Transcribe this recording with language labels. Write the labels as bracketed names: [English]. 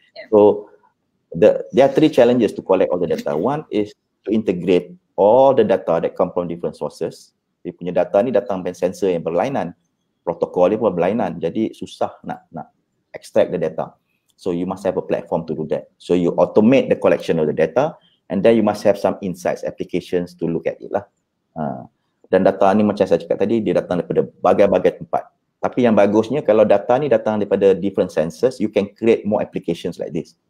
[English] So there are three challenges to collect all the data. One is to integrate all the data that come from different sources. [Malay] Dia punya data ni datang dengan sensor yang berlainan. Protokol dia pun berlainan. Jadi susah nak [English] extract the data. So you must have a platform to do that. So you automate the collection of the data and then you must have some insights, applications to look at it lah. [Malay] Dan data ni macam saya cakap tadi, dia datang daripada berbagai-bagai tempat. Tapi yang bagusnya kalau data ni datang daripada [English] different sensors, you can create more applications like this.